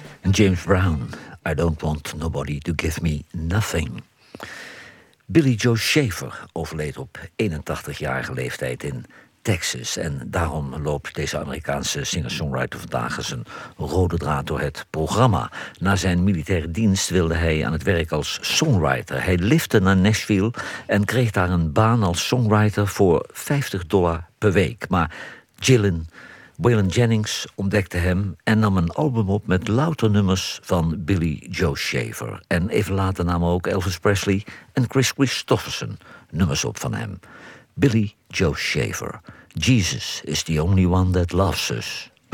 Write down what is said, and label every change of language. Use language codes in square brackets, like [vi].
[en] James Brown, I don't want nobody to give me nothing. [nl] Billy Joe Shaver overleed op 81-jarige leeftijd in Texas. En daarom loopt deze Amerikaanse singer-songwriter vandaag als een rode draad door het programma. Na zijn militaire dienst wilde hij aan het werk als songwriter. Hij liftte naar Nashville en kreeg daar een baan als songwriter voor $50 per week. Maar Waylon Jennings ontdekte hem en nam een album op met louter nummers van Billy Joe Shaver. En even later namen ook Elvis Presley en Kris Kristofferson nummers op van hem. Billy Joe Shaver. [en] Jesus is the only one that loves us.